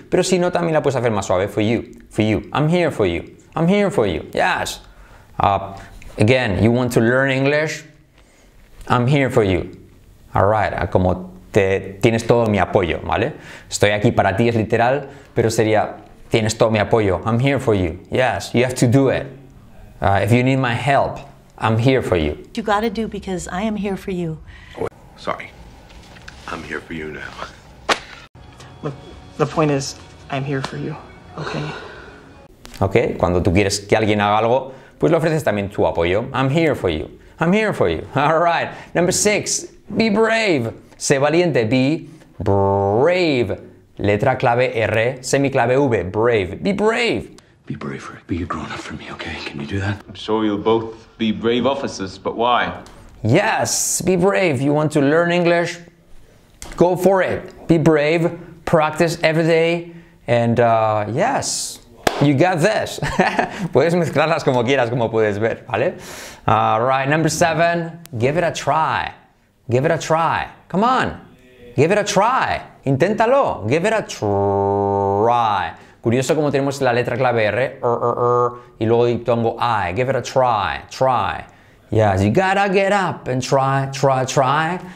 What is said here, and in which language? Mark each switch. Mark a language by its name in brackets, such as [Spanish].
[Spanish] Pero si no, también la puedes hacer más suave, [English] for you. For you. I'm here for you. I'm here for you. Yes. Again, you want to learn English? I'm here for you. All right. [Spanish] Como te tienes todo mi apoyo, ¿vale? Estoy aquí para ti, es literal, pero sería, tienes todo mi apoyo. [English] I'm here for you. Yes, you have to do it. If you need my help, I'm here for you. You gotta do because I am here for you. Oh, sorry. I'm here for you now. Look, the point is, I'm here for you, okay? [Spanish] Okay, cuando tú quieres que alguien haga algo, pues le ofreces también tu apoyo. [English] I'm here for you. I'm here for you. All right. Number 6. Be brave. [Spanish] Sé valiente. [English] Be brave. [Spanish] Letra clave R, semiclave V. [English] Brave. Be brave. Be brave, Rick. Be a grown-up for me, okay? Can you do that? I'm sure you'll both be brave officers, but why? Yes. Be brave. You want to learn English? Go for it. Be brave. Practice every day. And yes. You got this. [Spanish] Puedes mezclarlas como quieras, como puedes ver, ¿vale? [English] Alright, number 7. Give it a try. Give it a try. Come on. Give it a try. [Spanish] Inténtalo. [English] Give it a try. [Spanish] Curioso como tenemos la letra clave R, y luego diptongo I. [English] Give it a try. Try. Yes, you gotta get up and try, try, try.